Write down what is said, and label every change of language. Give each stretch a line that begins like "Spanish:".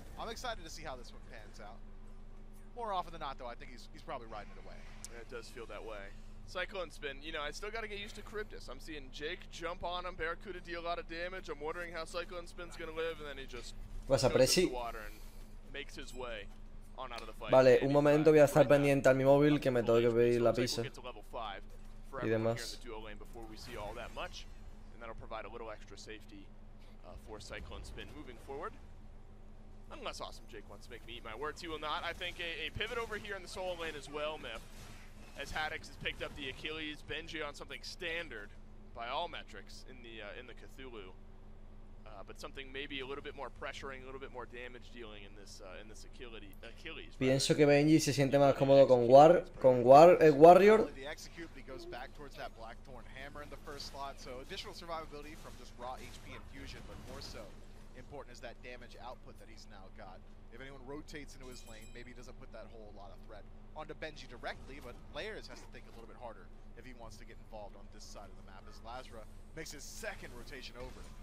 English: I'm excited to see how this one pans out. More often than not, though, I think he's probably riding it away. Yeah, it does feel that way. Cyclone Spin, you know, I still got to get used to Charybdis. I'm seeing Jake jump on him, Barracuda deal a lot of damage. I'm wondering how Cyclone Spin's going to live, and then he just goes into the water and makes his way on out of the fight.
Spanish: Vale, un momento, voy a estar pendiente al mi móvil, que me tengo que pedir la pizza. Y demás.
English: Here in the duo lane before we see all that much, and that'll provide a little extra safety for Cyclone Spin moving forward. Unless Awesome Jake wants to make me eat my words, he will not. I think a pivot over here in the solo lane as well, Mip. As Haddix has picked up the Achilles, Benji on something standard by all metrics in the Cthulhu, but something maybe a little bit more pressuring, a little bit more damage dealing in this Achilles.
Spanish: Pienso que Benji se siente más cómodo con Warrior.
English: The execute goes back towards that Blackthorn hammer in the first slot, so additional survivability from just raw HP infusion, but more so important is that damage output that he's now got. If anyone rotates into his lane, maybe he doesn't put that whole lot of threat onto Benji directly, but Layers has to think a little bit harder if he wants to get involved on this side of the map, as Lazra makes his second rotation over.